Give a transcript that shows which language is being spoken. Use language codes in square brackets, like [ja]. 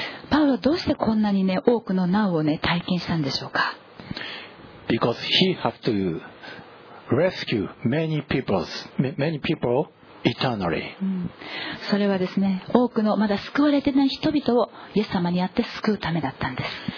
[ja] パウロはどうしてこんなに、ね、多くの難を、ね、体験したんでしょうか。 [en] Because he have to rescue many people's, many people eternally. [ja] それはですね、多くのまだ救われてない人々をイエス様にあって救うためだったんです。